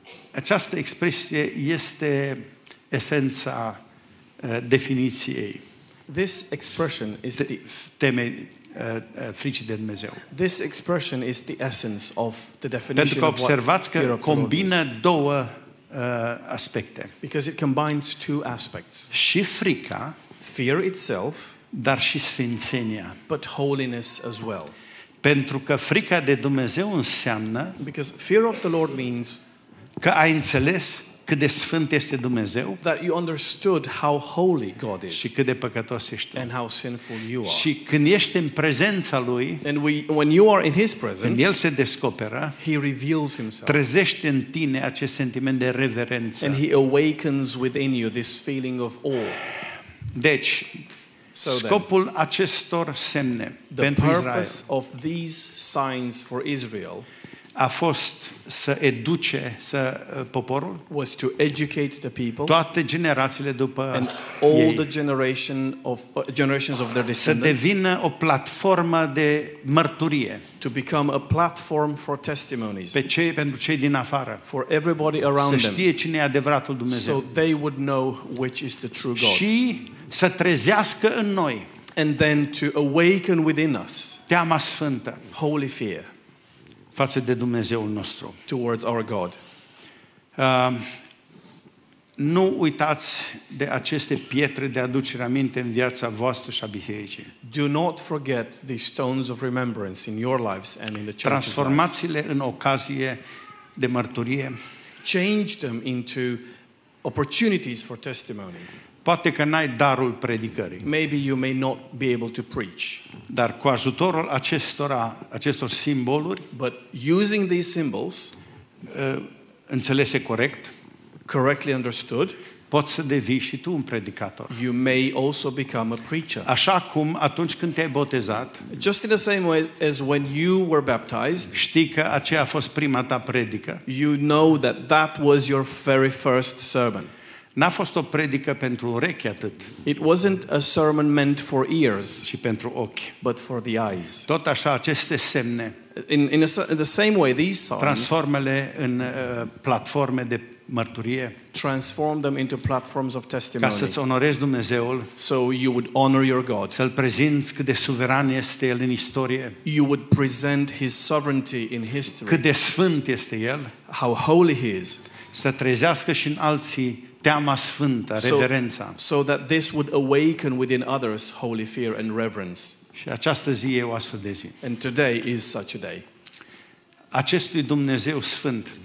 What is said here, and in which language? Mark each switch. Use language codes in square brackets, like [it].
[ro] Această expresie este esența definiției. [en] This expression is the [ro] teme fricii de Dumnezeu. [en] This expression is the essence of the definition. [ro] Pentru că observați că combină două aspecte. [en] Because it combines two aspects. [ro] Și frica, [en] fear itself, [ro] dar și sfințenia, [en] but holiness as well. [ro] Pentru că frica de Dumnezeu înseamnă, [en] because fear of the Lord means, [ro] că ai înțeles cât de sfânt este Dumnezeu, [en] that you understood how holy God is, [ro] și cât de păcătos ești, [en] and how sinful you are. [ro] Și când ești în prezența lui, [en] and when you are in his presence, [ro] când el se descoperă, [en] he reveals himself, [ro] trezește în tine acest sentiment de reverență, [en] and he awakens within you this feeling of awe. [ro] Deci, [en] so [ro] scopul [en] then, [ro] acestor semne [en] the [ro] pentru [en] purpose [ro] Israel, [en] of these signs for Israel, [ro] a fost să educe să poporul, [en] was to educate the people, [ro] toate generațiile după [en] and all [ro] ei, [en] the generation of generations of their descendants, [ro] să devină o platformă de mărturie, [en] to become a platform for testimonies, [ro] pentru cei din afară, [en] for everybody around them, [ro] să știe cine e adevăratul Dumnezeu, [en] so they would know which is the true God, [ro] și să trezească în noi, [en] and then to awaken within us, [ro] teama sfântă, [en] holy fear, [ro] față de Dumnezeul nostru. [en] Towards our God. [ro] Nu uitați de aceste pietre de aducere aminte în viața voastră și a bisericii. [en] Do not forget these stones of remembrance in your lives and in the church. [ro] Transformați-le în ocazie de mărturie. [en] Change them into opportunities for testimony. [ro] Poate că n-ai darul predicării. [en] Maybe you may not be able to preach. [ro] Dar cu ajutorul acestor simboluri, [en] but using these symbols, [ro] înțelese corect, [en] correctly understood, [ro] poți să devii și tu un predicator. [en] You may also become a preacher. [ro] Așa cum atunci când te-ai botezat, [en] just in the same way as when you were baptized, [ro] știi că aceea a fost prima ta predică. [en] You know that that was your very first sermon. [ro] N-a fost o predică pentru urechi atât. [en] It wasn't a sermon meant for ears, [ro] ci pentru ochi, [en] but for the eyes. [ro] Tot așa aceste semne. [en] In the same way these signs, [ro] transformă-le în platforme de mărturie. [en] Transform them into platforms of testimony. [ro] Ca să-ți onorezi Dumnezeul. [en] So you would honor your God. [ro] Să-l prezinți cât de suveran este El în istorie. [en] You would present His sovereignty in history. [ro] Cât de sfânt este El. [en] How holy He is. [ro] Să trezească și în alții teama sfântă, reverența. [en] So that this would awaken within others holy fear and reverence. [ro] Și această zi e o astfel de zi. [en] And today is such a day. [ro] Acestui Dumnezeu sfânt,